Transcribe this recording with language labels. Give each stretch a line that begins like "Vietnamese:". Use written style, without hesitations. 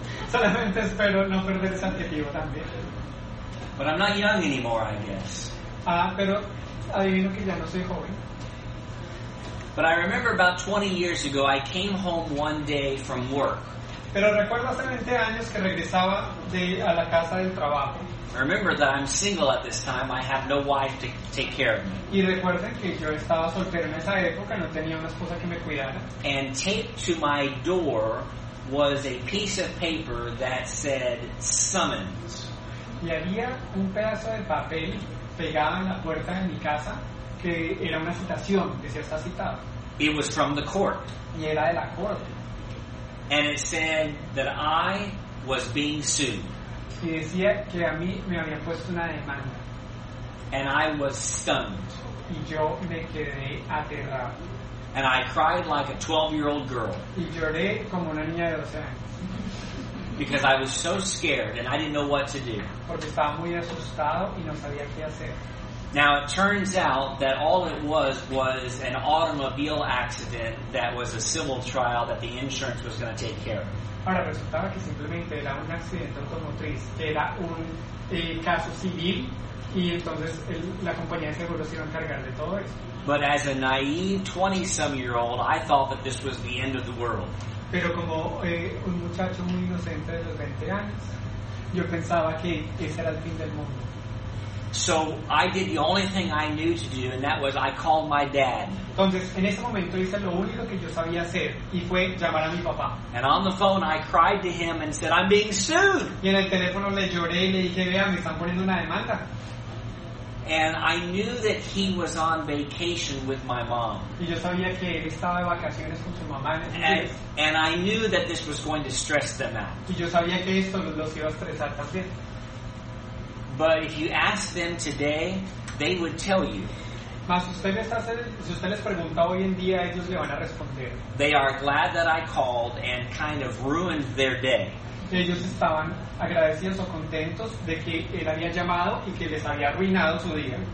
Spanish: Solamente espero no perder ese adjetivo también.
English: But I'm not young anymore, I guess.
Spanish: Pero adivino que ya no soy joven.
English: But I remember about 20 years ago, I came home one day from work.
Spanish: Pero recuerdo hace 20 años que regresaba a la casa del trabajo.
English: Remember that I'm single at this time. I have no wife to take care of me.
Spanish: Y recuerden que yo estaba soltero en esa época, no tenía una esposa que me cuidara.
English: And taped to my door was a piece of paper that said summons.
Spanish: Y había un pedazo de papel pegado en la puerta de mi casa que era una citación, decía está citado.
English: It was from the court.
Spanish: Y era de la corte.
English: And it said that I was being sued.
Spanish: Y decía que a mí me habían puesto una demanda.
English: And I was stunned.
Spanish: Y yo me quedé aterrado.
English: And I cried like a 12-year-old girl.
Spanish: Y lloré como una niña de 12 años.
English: Because I was so scared and I didn't know what to do.
Spanish: Porque estaba muy asustado y no sabía qué hacer.
English: Now it turns out that all it was an automobile accident that was a civil trial that the insurance was going to take care of.
Spanish: Ahora resultaba que simplemente era un accidente automotriz, que era un caso civil, y entonces la compañía de seguros se iba a encargar de todo eso.
English: But as a naive 20-some-year-old, I thought that this was the end of the world.
Spanish: Pero como un muchacho muy inocente de los 20 años, yo pensaba que ese era el fin del mundo.
English: So I did the only thing I knew to do, and that was I called my dad.
Spanish: Entonces, en ese momento hice lo único que yo sabía hacer, y fue llamar a mi papá.
English: And on the phone, I cried to him and said, "I'm being sued."
Spanish: Y en el teléfono le lloré y le dije, "Vea, me están poniendo una demanda."
English: And I knew that he was on vacation with my mom.
Spanish: Y yo sabía que él estaba de vacaciones con su mamá.
English: And I knew that this was going to stress them out.
Spanish: Y yo sabía que esto los iba a estresar también.
English: But if you ask them today, they would tell you.
Spanish: Mas si usted les pregunta hoy en día, ellos le van a responder.
English: They are glad that I called and kind of ruined their day.
Spanish: Ellos estaban agradecidos o contentos de que él había llamado y que les había arruinado su día.